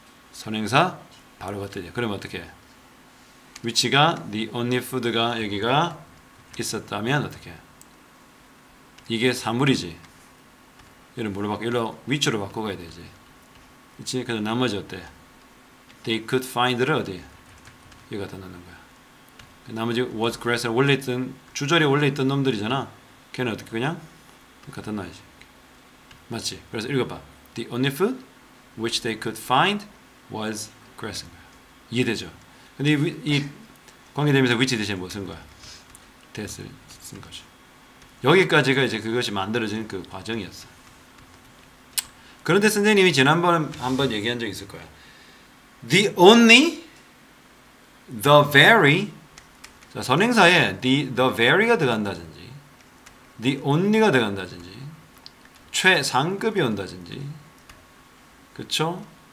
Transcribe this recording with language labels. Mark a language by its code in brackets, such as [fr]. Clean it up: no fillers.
[ko] 선행사? 바로 갔더니. 그럼 어떻게? 위치가 the only food가 여기가 있었다면 어떻게? 이게 사물이지. 얘를 뭐로 바꿔? 얘를 위치로 바꿔가야 되지. 그치? 그래서 나머지 어때? They could find를 어디? 얘 갖다 놓는 거야. 나머지 was grass 원래 있던 주절에 원래 있던 놈들이잖아. 걔는 어떻게 그냥 갖다 놔야지. 맞지? 그래서 읽어봐. [en] The only food which they could find was grass. [ko] 이해되죠? 근데 이 관계되면서 위치 대신 뭐 쓴 거야? 됐을 쓴 거죠. 여기까지가 이제 그것이 만들어진 그 과정이었어. 그런데 선생님이 지난번 한번 얘기한 적 있을 거야. The only, the very 자, 선행사에 the very가 들어간다든지 the only가 들어간다든지 최상급이 온다든지 그쵸?